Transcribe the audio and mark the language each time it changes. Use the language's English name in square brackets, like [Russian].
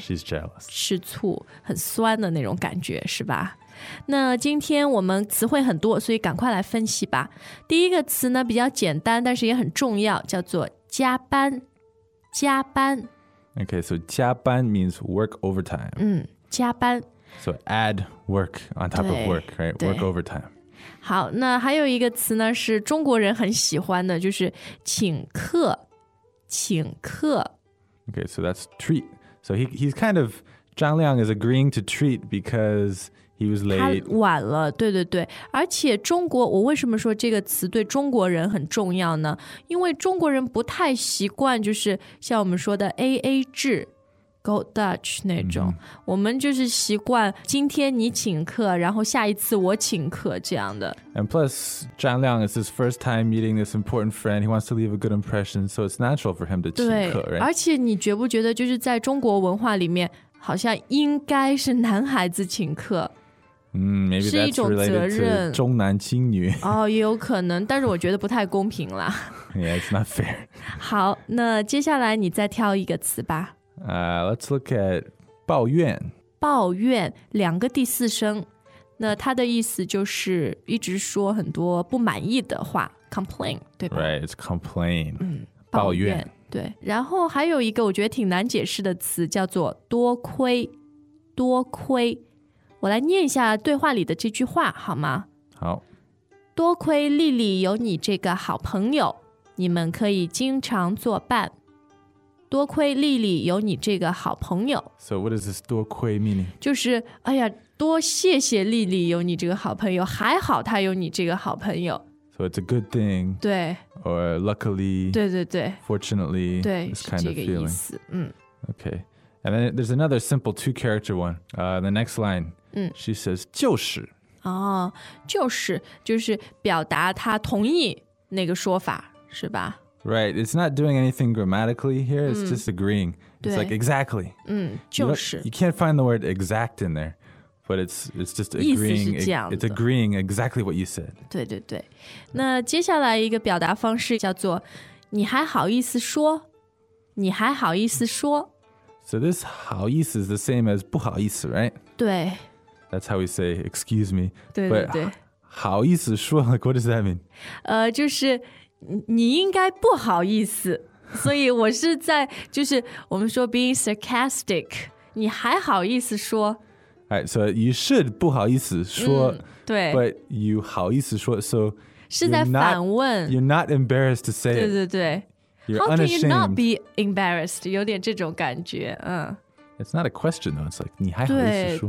[English] She's jealous. [Chinese] 吃醋很酸的那种感觉是吧那今天我们词汇很多所以赶快来分析吧第一个词呢比较简单但是也很重要叫做加班加班 [English] Okay, so 加班 means work overtime. [Chinese] 加班 [English] So add work on top of work, right? Work overtime. [Chinese] 好，那还有一个词呢，是中国人很喜欢的，就是请客，请客。 [English] Okay, so that's treat. So he's kind of, Zhang Liang is agreeing to treat because he was late. [Chinese] 他晚了，对对对。而且中国，我为什么说这个词对中国人很重要呢？因为中国人不太习惯就是像我们说的 AA 制。 [English] Gold Dutch [Chinese] 那种、 [English] mm-hmm. [Chinese] 我们就是习惯今天你请客然后下一次我请客这样的 [English] And plus Zhang Liang is his first time meeting this important friend He wants to leave a good impression So it's natural for him to [Chinese] 对请客、 [English] right? [Chinese] 而且你觉不觉得就是在中国文化里面好像应该是男孩子请客、 [English] mm, Maybe that's related to 重男轻女 [Chinese] 哦，也有可能但是我觉得不太公平啦 [English] Yeah, it's not fair [Chinese] 好那接下来你再挑一个词吧 [English] Let's look at 抱怨。 [Chinese] 抱怨，两个第四声。那它的意思就是一直说很多不满意的话 ,complain, 对吧 [English] Right, it's complain,、 [Chinese] 嗯、抱怨。对。然后还有一个我觉得挺难解释的词叫做多亏。多亏。我来念一下对话里的这句话好吗好。多亏莉莉有你这个好朋友你们可以经常作伴。多亏莉莉有你这个好朋友 [English] So what is this 多亏 meaning? [Chinese] 就是哎呀多谢谢莉莉有你这个好朋友还好她有你这个好朋友 [English] So it's a good thing [Chinese] 对 [English] Or luckily [Chinese] 对对对 [English] Fortunately [Chinese] 对 [English] this kind [Chinese] 是这个意思、嗯、 [English] Okay And then there's another simple two character one The next line、 [Chinese] 嗯、 [English] She says 就是 [Chinese] 哦就是就是表达她同意那个说法是吧 [English] Right, it's not doing anything grammatically here, it's just agreeing. It's like exactly. [Chinese] 嗯，就是。 [English] You can't find the word exact in there, but it's just agreeing. [Chinese] 意思是这样的。 [English] It's agreeing exactly what you said. [Chinese] 对对对。那接下来一个表达方式叫做你还好意思说。你还好意思说。 [English] So this 好意思 is the same as 不好意思, right? [Chinese] 对。 [English] That's how we say excuse me. [Chinese] 对对对。好意思说, [English] like what does that mean? [Chinese] 就是你应该不好意思所以我是在就是我们说 [English] being sarcastic [Chinese] 你还好意思说 [English] Alright, so you should [Chinese] 不好意思说、嗯、对 [English] But you [Chinese] 好意思说 [English] So [Chinese] 是在反问 [English] You're not embarrassed to say it [Chinese] 对对对 [English] You're How unashamed How can you not be embarrassed [Chinese] 有点这种感觉、 [English] 嗯、 It's not a question though It's like [Chinese] 你还好意思说